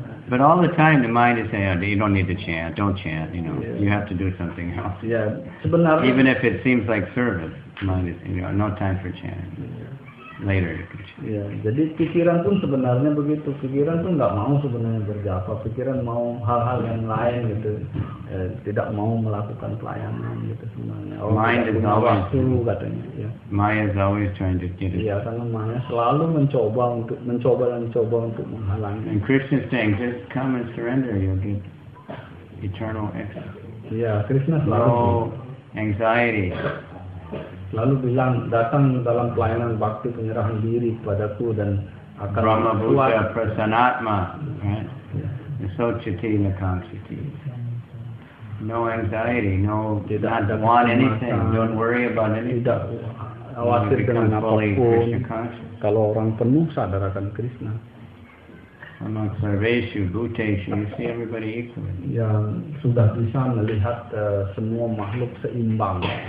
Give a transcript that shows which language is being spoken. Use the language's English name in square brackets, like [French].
[English] But all the time the mind is saying, "Oh, you don't need to chant, don't chant, you know, yeah. You have to do something else." [Indonesian] Yeah, sebenarnya. [English] Even if it seems like service, the mind is, you know, no time for chanting. Yeah. Later. [Indonesian] Ya, jadi pikiran pun sebenarnya begitu. Pikiran pun enggak mau sebenarnya berjapa. Pikiran mau hal-hal yang lain gitu. Tidak mau melakukan pelayanan gitu sebenarnya. [English] Oh, mind is always [Indonesian] waktu, katanya, ya. [English] Maya is always trying to get it. [Indonesian] Iya, karena Maya selalu mencoba untuk menghalangi. [English] And Krishna is saying, "Just come and surrender, you'll get eternal ecstasy." [Indonesian] Iya, Krishna selalu. [English] No anxiety. [Indonesian] Lalu bilang, datang dalam pelayanan bakti penyerahan diri kepadaku dan akan [Sanskrit] Brahma Bhuta Prasanatma, [English] right? Yeah. So [Sanskrit] chiti nakam chiti. [English] No anxiety, no, did not want anything, don't worry about anything. [Indonesian] Khawatir dengan apapun, kalau orang penuh sadar akan Krishna. [English] Among [Sanskrit] sarveshu bhuteshu, [English] you see everybody equally. [Indonesian] Ya, sudah bisa melihat semua makhluk seimbang.